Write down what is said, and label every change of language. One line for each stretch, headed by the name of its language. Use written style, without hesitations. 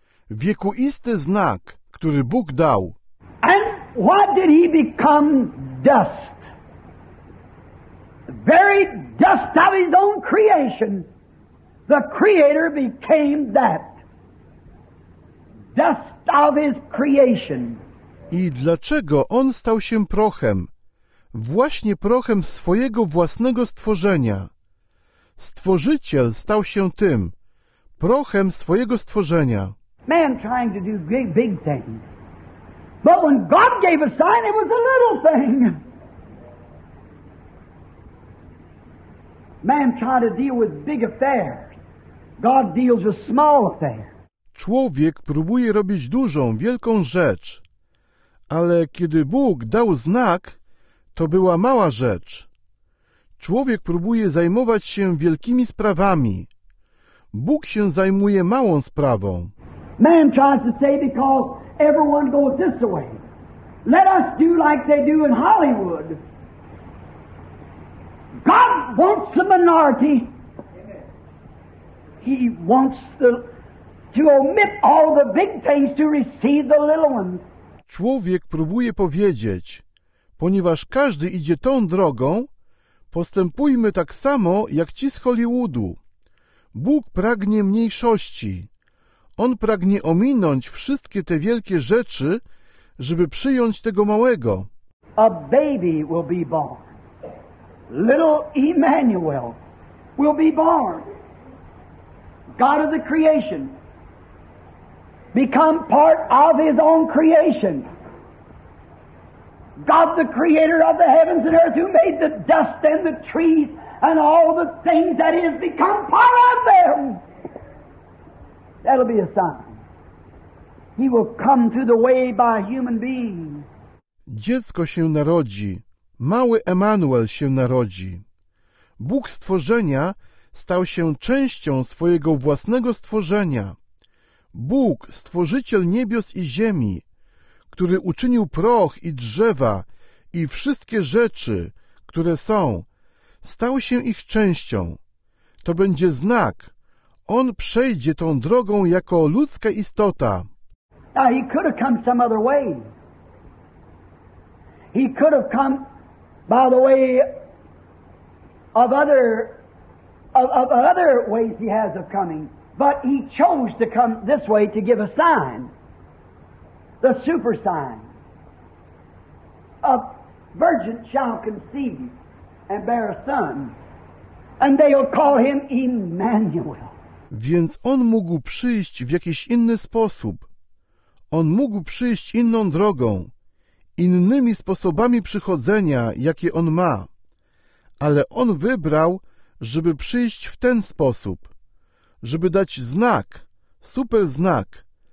Polish: Wiekuisty znak, który Bóg dał.
English: And what did he become? Dust. Very dust of his own creation, the Creator became that. Dust of his creation.
Polish: I dlaczego on stał się prochem? Właśnie prochem swojego własnego stworzenia. Stworzyciel stał się tym, prochem swojego stworzenia.
English: Man trying to do big things. But when God gave a sign, it was a little thing. Man trying to deal with big affairs. God deals with small affairs.
Polish: Człowiek próbuje robić dużą, wielką rzecz. Ale kiedy Bóg dał znak, to była mała rzecz. Człowiek próbuje zajmować się wielkimi sprawami. Bóg się zajmuje małą sprawą.
English: Man tries to say because everyone goes this way. Let us do like they do in Hollywood. God wants the minority. He wants to omit all the big things to receive the little ones.
Polish: Człowiek próbuje powiedzieć, ponieważ każdy idzie tą drogą, postępujmy tak samo jak ci z Hollywoodu. Bóg pragnie mniejszości. On pragnie ominąć wszystkie te wielkie rzeczy, żeby przyjąć tego małego.
English: A baby will be born. Little Emmanuel will be born. God of the creation. Become part of his own creation. God the creator of the heavens and earth, who made the dust and the trees and all the things that is, become part of them. That'll be a sign. He will come through the way by human beings.
Polish: Dziecko się narodzi. Mały Emmanuel się narodzi. Bóg stworzenia stał się częścią swojego własnego stworzenia. Bóg, stworzyciel niebios i ziemi, który uczynił proch i drzewa i wszystkie rzeczy, które są, stał się ich częścią. To będzie znak. On przejdzie tą drogą jako ludzka istota.
English: Now he could have come some other way. He could have come by the way of other ways he has of coming, but he chose to come this way to give a sign, the super sign. A virgin shall conceive and bear a son, and they'll call him Emmanuel.
Polish: Więc on mógł przyjść w jakiś inny sposób. On mógł przyjść inną drogą, innymi sposobami przychodzenia, jakie on ma. Ale on wybrał, żeby przyjść w ten sposób, żeby dać znak, super znak.